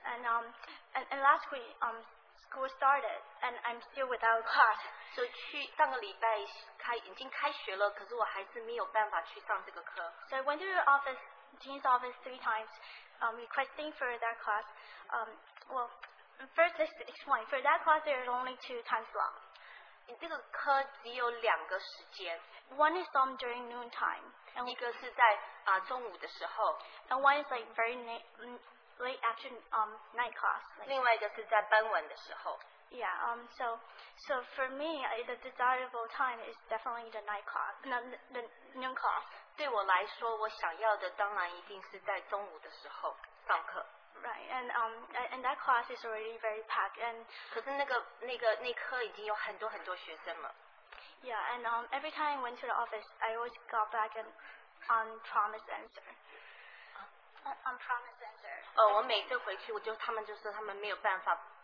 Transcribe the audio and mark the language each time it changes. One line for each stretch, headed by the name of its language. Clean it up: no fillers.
English: and last week, school started, and I'm still without class.
Chinese: 所以去上个礼拜开已经开学了，可是我还是没有办法去上这个课。
English: So I went to the office. Dean's office 3 times, requesting for that class. Well, first, let's explain. For that class, there is only 2 time slots.
Chinese: 这个科只有两个时间.
English: One is during noon time.
Chinese: 一个是在中午的时候.
English: And one is like very late afternoon night class. Like,
Chinese: 另外一个是在傍晚的时候.
English: Yeah, so for me, the desirable time is definitely the night clock. The noon clock.
Chinese: 对我来说, 我想要的当然一定是在中午的时候,
English: Right, and that class is already very packed. And
Chinese: 可是那个那科已经有很多很多学生了。
English: Yeah, and every time I went to the office, I always got back an unpromised answer. Unpromised answer.
Chinese: 我每次回去，我就他们就说他们没有办法。